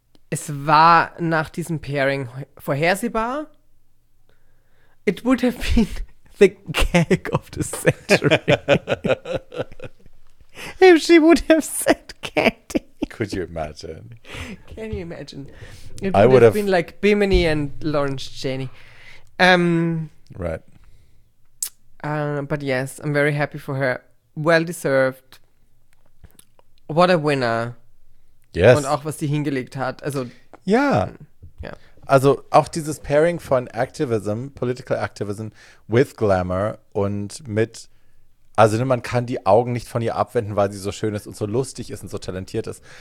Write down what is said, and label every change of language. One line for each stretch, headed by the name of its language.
German: Es war nach diesem Pairing vorhersehbar.
English: It would have been the gag of the century. If she would have said Candy. Could you imagine? Can you imagine? It would have been like Bimini and Lawrence Janney. Right. But yes, I'm very happy for her. Well deserved. What a winner. Yes.
German: Und auch, was sie hingelegt hat. Also, ja. Ja. Also auch dieses Pairing von Activism, Political Activism, with Glamour und mit Also man kann die Augen nicht von ihr abwenden, weil sie so schön ist und so lustig ist und so talentiert ist.